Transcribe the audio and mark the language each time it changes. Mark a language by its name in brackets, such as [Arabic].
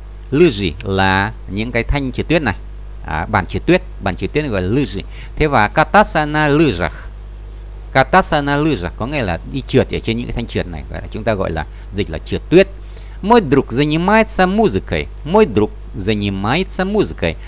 [Vietnamese] Лыжи là những cái thanh trượt tuyết này. Bàn trượt tuyết gọi là лыжи. Thế và [Russian] кататься на лыжах. Кататься на лыжах [Vietnamese] có nghĩa là đi trượt ở trên những cái thanh trượt này, chúng ta gọi là dịch là trượt tuyết. [Russian] Мой друг занимается музыкой. Мой друг занимается музыкой.